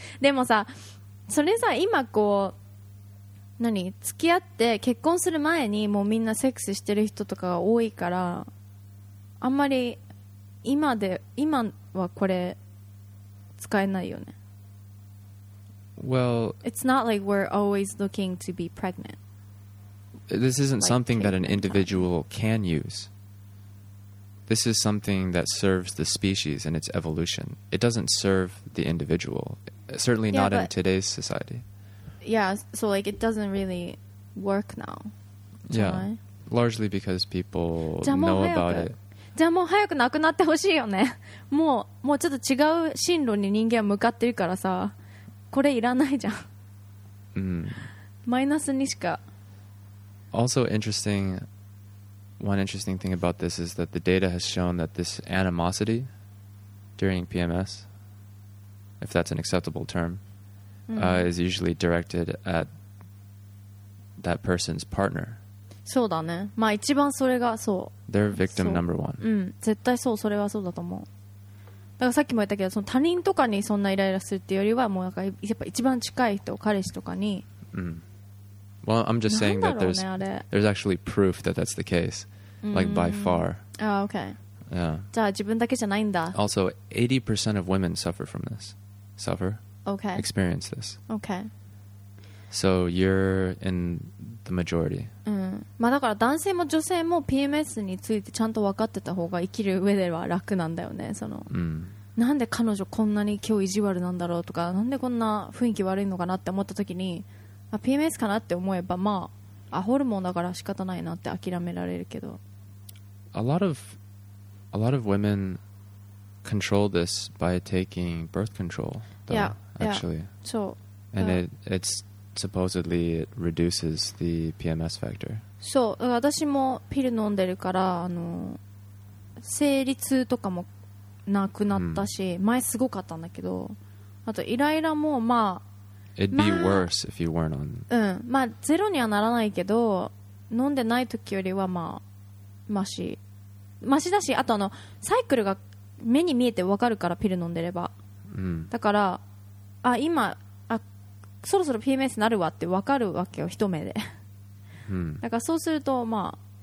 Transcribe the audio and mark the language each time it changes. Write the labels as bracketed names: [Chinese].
[Japanese] でもさ、それさ今こう何付き合って結婚する前にもうみんなセックスしてる人とかが多いからあんまり今はこれ使えないよね。 [English] Well, it's not like we're always looking to be pregnant. This isn't something that an individual can use. This is something that serves the species and its evolution. It doesn't serve the individual. Certainly not in today's society. Yeah, so like it doesn't really work now. Yeah, largely because people know about it. [Japanese] じゃあもう早くなくなってほしいよね。もうちょっと違う進路に人間は向かってるからさ、これいらないじゃん。マイナスにしか。 [English] Also interesting, one interesting thing about this is that the data has shown that this animosity during PMS, if that's an acceptable term, is usually directed at that person's partner. [Japanese] そうだね。まあ一番それがそう。 [English] They're victim number one. [Japanese] うん、絶対そう、それはそうだと思う。だからさっきも言ったけど、その他人とかにそんなイライラするっていうよりは、もうなんかやっぱ一番近い人、彼氏とかに。うん。 [English] Well, I'm just saying that there's actually proof that that's the case, like by far. Oh, okay. Yeah. [Japanese] じゃあ自分だけじゃないんだ。 [English] Also, 80% of women suffer from this. Suffer? Okay. Experience this. Okay. So you're in the majority. [Japanese] まあだから男性も女性も PMS についてちゃんと分かってた方が生きる上では楽なんだよね。その、なんで彼女こんなに今日意地悪なんだろうとか、なんでこんな雰囲気悪いのかなって思った時に、あ、PMS かなって思えば、まあ、あ、ホルモンだから仕方ないなって諦められるけど。 [English] A lot of women control this by taking birth control, though, yeah, actually. Yeah, so, and it's supposedly it reduces the PMS factor. [Japanese] そう、私もピル飲んでるから、あの、生理痛とかもなくなったし、前すごかったんだけど、あとイライラも、まあ、 [English] It'd be worse if you weren't on. [Japanese] まあゼロにはならないけど、飲んでない時よりはまあマシ、マシだし、あとあのサイクルが目に見えてわかるからピル飲んでれば、だからあ今あそろそろ PMS なるわってわかるわけよ一目で、だからそうするとまあ